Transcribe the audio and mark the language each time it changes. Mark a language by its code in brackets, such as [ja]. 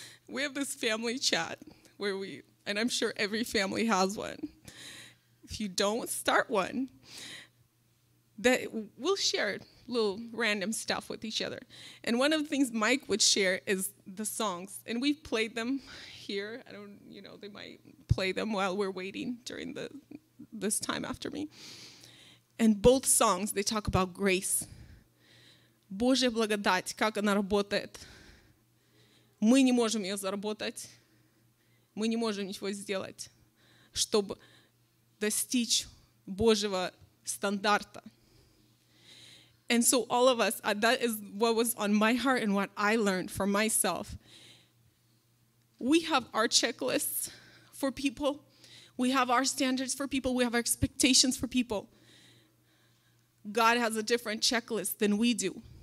[en] We have this family chat where we, and I'm sure every family has one, if you don't start one, that we'll share little random stuff with each other. And one of the things Mike would share is the songs. And we've played them here. I don't, you know, they might play them while we're waiting during this time after me. And both songs, they talk about grace. [ru] Божья благодать, как она работает. Мы не можем ее заработать. Мы не можем ничего сделать, чтобы достичь Божьего стандарта. [en] And so all of us, that is what was on my heart and what I learned for myself. We have our checklists for people. We have our standards for people. We have our expectations for people. God has a different checklist than we do.